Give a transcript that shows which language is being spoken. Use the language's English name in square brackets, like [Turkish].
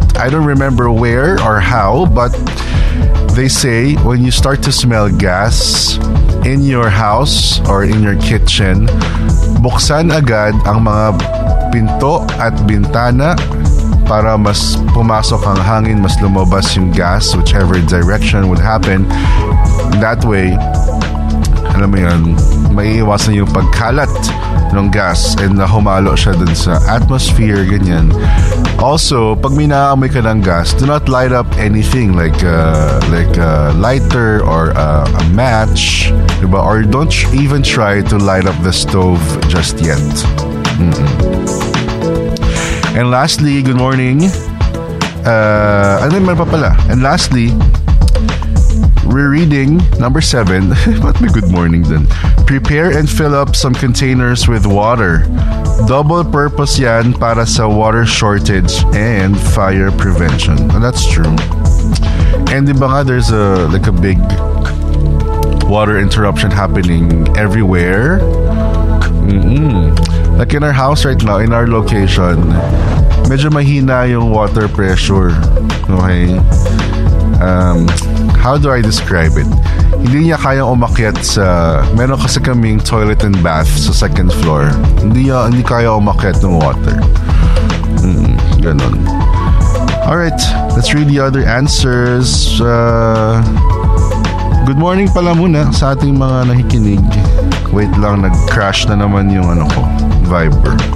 [English] I don't remember where or how, but they say when you start to smell gas in your house or in your kitchen, [Filipino] buksan agad ang mga pinto at bintana para mas pumasok ang hangin, mas lumabas yung gas, [English] whichever direction would happen. That way, [Filipino] alam mo yun, maiiwasan yung pagkalat ng gas and na humalo siya dun sa atmosphere, ganyan. [English] Also, [Filipino] pag may naamoy ka ng gas, [English] do not light up anything like a lighter or a match, diba? Or don't even try to light up the stove just yet. Mm-mm. And lastly, good morning. And lastly, we're reading number 7. What may good morning then? Prepare and fill up some containers with water. Double purpose [Filipino] yan para sa [English] water shortage and fire prevention. And that's true. And diba nga, there's a big water interruption happening everywhere. Mm-mm. Like in our house right now, in our location, [Filipino] medyo mahina yung [English] water pressure. Okay? How do I describe it? [Filipino] Hindi niya kayang umakyat sa... Meron kasi kaming [English] toilet and bath [Filipino] sa second floor. Hindi kaya umakyat ng water. Ganon. [English] Alright, let's read the other answers. [Filipino] Good morning pala muna sa ating mga nakikinig. Wait lang, nag-crash na naman yung ano ko, Viber.